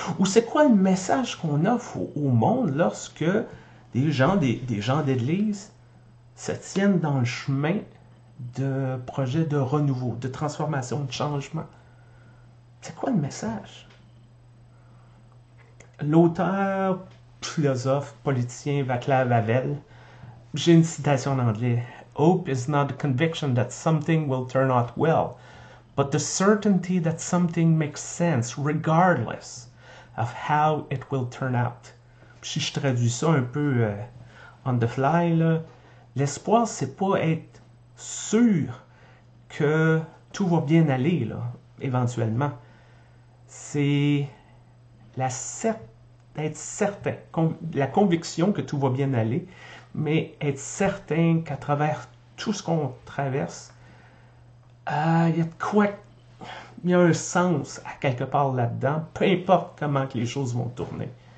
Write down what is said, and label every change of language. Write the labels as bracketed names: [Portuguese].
[French] Ou c'est quoi le message qu'on offre au monde lorsque des gens d'Église se tiennent dans le chemin de projet de renouveau, de transformation, de changement? C'est quoi le message? L'auteur, philosophe, politicien Vaclav Havel, j'ai une citation en anglais. [English] Hope is not the conviction that something will turn out well, but the certainty that something makes sense regardless of how it will turn out. [French] Si je traduis ça un peu [English] on the fly, [French] là, l'espoir, c'est pas être sûr que tout va bien aller, là, éventuellement. C'est être certain, la conviction que tout va bien aller, mais être certain qu'à travers tout ce qu'on traverse, il y a de quoi, il y a un sens à quelque part là-dedans, peu importe comment que les choses vont tourner.